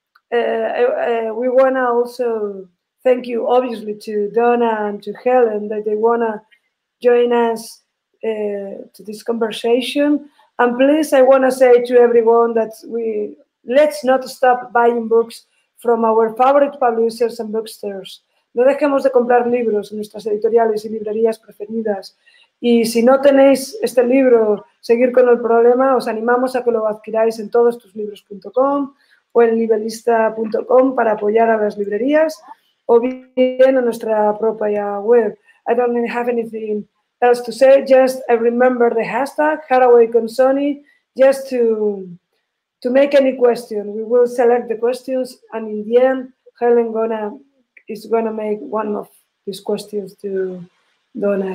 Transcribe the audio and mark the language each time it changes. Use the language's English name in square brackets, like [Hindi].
[English] And also, we want to also thank you, obviously, to Donna and to Helen that they want to join us to this conversation. And please, I want to say to everyone that let's not stop buying books from our favorite publishers and bookstores. [Spanish] No dejemos de comprar libros en nuestras editoriales y librerías preferidas. Y si no tenéis este libro, Seguir con el problema, os animamos a que lo adquiráis en todostuslibros.com o en libelista.com para apoyar a las librerías o bien en nuestra propia web. [English] I don't really have anything else to say, just I remember the hashtag Haraway Consonni, just to make any question. We will select the questions and in the end Helen is gonna make one of these questions to Donna.